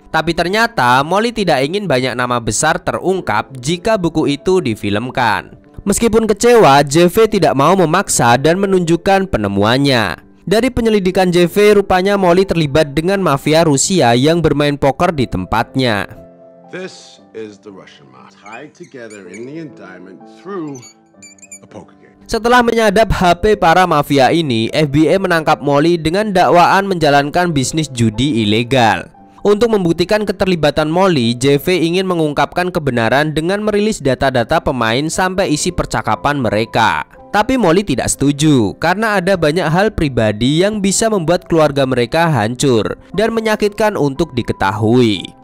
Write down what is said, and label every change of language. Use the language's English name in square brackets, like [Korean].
[Indonesian] Tapi ternyata Molly tidak ingin banyak nama besar terungkap jika buku itu difilmkan. Meskipun kecewa, JV tidak mau memaksa dan menunjukkan penemuannya. Dari penyelidikan JV, rupanya Molly terlibat dengan mafia Rusia yang bermain poker di tempatnya. [English] This is the Russian mob tied together in the indictment through a poker game. [Indonesian] Setelah menyadap HP para mafia ini, FBI menangkap Molly dengan dakwaan menjalankan bisnis judi ilegal. Untuk membuktikan keterlibatan Molly, JV ingin mengungkapkan kebenaran dengan merilis data-data pemain sampai isi percakapan mereka. Tapi Molly tidak setuju, karena ada banyak hal pribadi yang bisa membuat keluarga mereka hancur dan menyakitkan untuk diketahui.